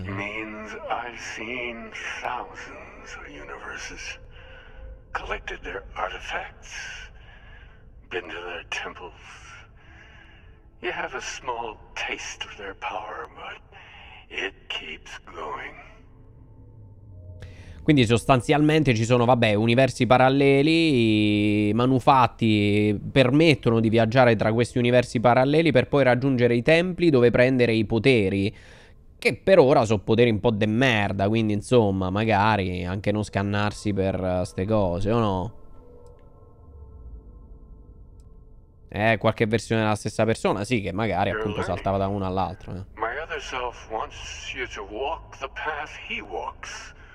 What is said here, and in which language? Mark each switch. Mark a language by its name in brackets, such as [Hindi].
[English] It means I've seen thousands of universes, collected their artifacts, been to their temples. You have a small taste of their power, but it keeps going. [Italian] Quindi sostanzialmente ci sono, vabbè, universi paralleli, i manufatti permettono di viaggiare tra questi universi paralleli per poi raggiungere i templi dove prendere i poteri, che per ora sono poteri un po' de merda, quindi insomma, magari anche non scannarsi per ste cose, o no? Qualche versione della stessa persona, sì, che magari appunto saltava da uno all'altro. [English] My other self wants you to walk the path he walks.